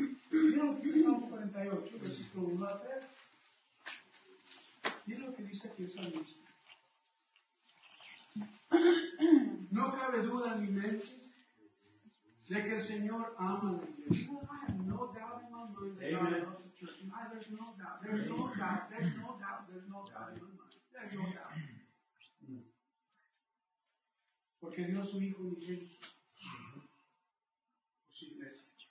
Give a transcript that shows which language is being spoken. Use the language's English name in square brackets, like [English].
[Spanish] Mira lo que dice Salmo 48, versículo 1 a 3. Mira lo que dice aquí el salmista. No cabe duda en mi mente de que el Señor ama a la iglesia. [English] No, I have no doubt in my mind that God loves the church. There's no doubt. There's no doubt. There's no doubt. There's no doubt. There's no doubt in my mind. There's no doubt. [Spanish] Porque dio a su Hijo mi gente por su iglesia.